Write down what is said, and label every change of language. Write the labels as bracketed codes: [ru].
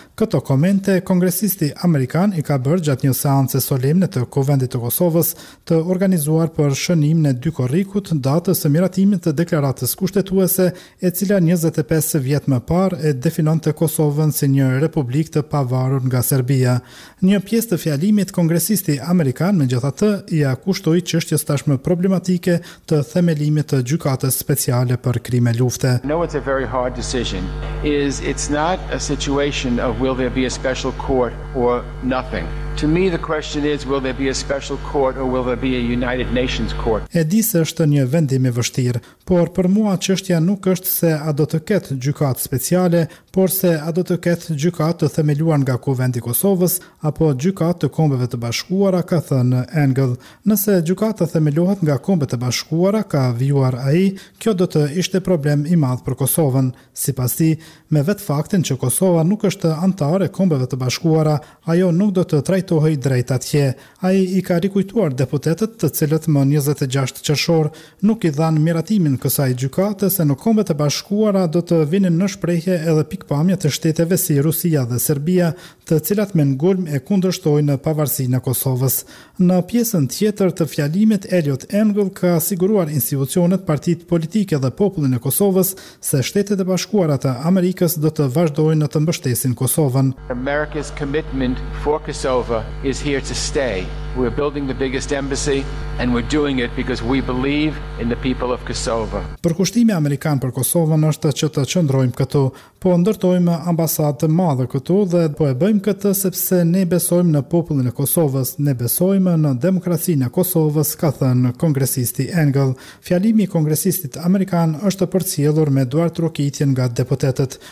[sq] Këto komente kongresisti amerikan i ka bërë gjatë një seance solemne të Kuvendit të Kosovës të organizuar për shënimin e dy korrikut, datës së miratimit të deklaratës kushtetuese, e cila 25 vjet më parë e definonte Kosovën si një republik të pavarur nga Serbia. Një pjesë të fjalimit kongresisti amerikan, megjithatë, i akushtoi çështjes tashmë problematike të themelimit të gjykatës speciale për krime lufte. [en] No, it's a very hard decision. It's not a situation of will there be a special court or nothing. To me the question is will there be a special court or will there be a United Nations court. [sq] E di se është një vendim i vështirë, por për mua çështja nuk është se a do të ketë gjykatë speciale, por se a do të ketë gjykatë të themeluar nga Kuvendi i Kosovës apo gjykatë të Kombeve të Bashkuara, ka thënë Engel. Nëse gjykata themelohet nga Kombet të Bashkuara, ka vijuar ai, kjo do të ishte problem i madh për Kosovën. Sipas tij, me vetë faktin që Kosova nuk është antare Kombeve të Bashkuara, ajo nuk do të trajtohej drejt atje. Ai i ka rikujtuar deputetët të cilët më 26 qershor nuk i dhanë miratimin kësaj gjykate se në Kombet të Bashkuara do të vinin në shprehje edhe pikpamja të shteteve si Rusia dhe Serbia, të cilat me ngulm e kundërshtojnë pavarësinë e Kosovës. Në pjesën tjetër të fjalimit, Elliot Engel ka siguruar institucionet, partitë politike dhe popullin e Kosovës se Shtetet e Bashkuara të Amerikës do të vazhdojnë të mbështesin Kosovën. [en] America's commitment for Kosovo is here to stay. We're building the biggest embassy and we're doing it because we believe in the people of Kosovo. [sq] Përkushtimi amerikan për Kosovën është që të qëndrojmë këtu, po ndërtojmë ambasadë të madhe këtu dhe po e bëjmë këtë sepse ne besojmë në popullin e Kosovës, ne besojmë në demokracinë e Kosovës, ka thënë kongresisti Engel. Fjalimi i kongresistit amerikan është përcjellur me duart trokitjen nga deputetët.